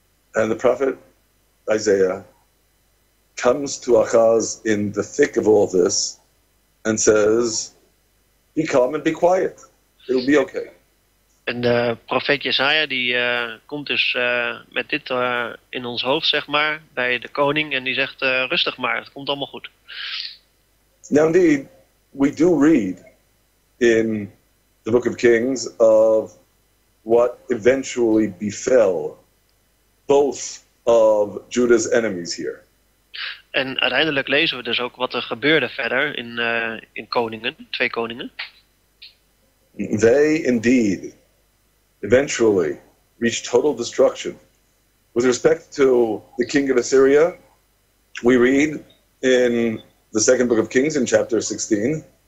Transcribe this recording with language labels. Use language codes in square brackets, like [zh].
[en] And the prophet Isaiah comes to Achaz in the thick of all this and says, be calm and be quiet. It'll be okay. [nl] En de profeet Jesaja die komt dus met dit in ons hoofd, zeg maar, bij de koning en die zegt, rustig maar, het komt allemaal goed. [en] Now indeed, we do read in the book of Kings of what eventually befell both of Judah's enemies here. [nl] En uiteindelijk lezen we dus ook wat er gebeurde verder in Koningen, twee koningen. [en] They indeed eventually reached total destruction. With respect to the king of Assyria, we read in the second book of Kings in chapter 16.